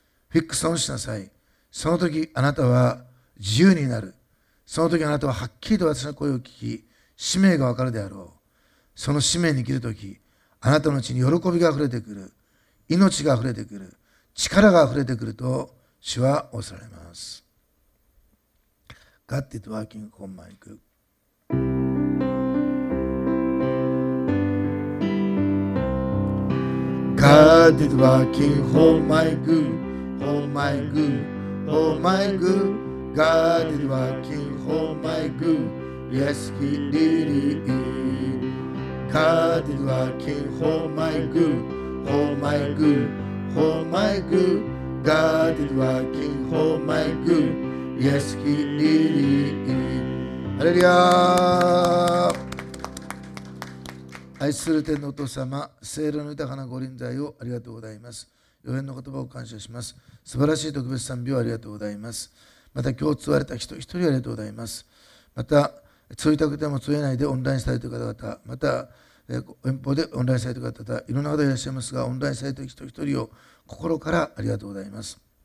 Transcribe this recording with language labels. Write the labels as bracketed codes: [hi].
[ja] フィックスオンしなさい。その時あなたは自由になる。その時あなたははっきりと私の声を聞き、使命がわかるであろう。その使命に生きる時、あなたのうちに喜びが溢れてくる。命が溢れてくる。力が溢れてくると主は仰せられます。 [en] God is working for my good。 God is working for my good, for my good, for my good. God is working for my good, yes he really is. God is working for my good, for my good, for my good. God is working for my good, yes he really is. [ja] ハレルヤー。愛する天のお父様、聖霊の豊かなご臨在をありがとうございます。予言の言葉を感謝します。素晴らしい特別賛美をありがとうございます。また今日通われた人一人ありがとうございます。また通いたくても通えないでオンラインされている方々、また遠方でオンラインされている方々、いろんな方いらっしゃいますが、オンラインされている人一人を心からありがとうございます。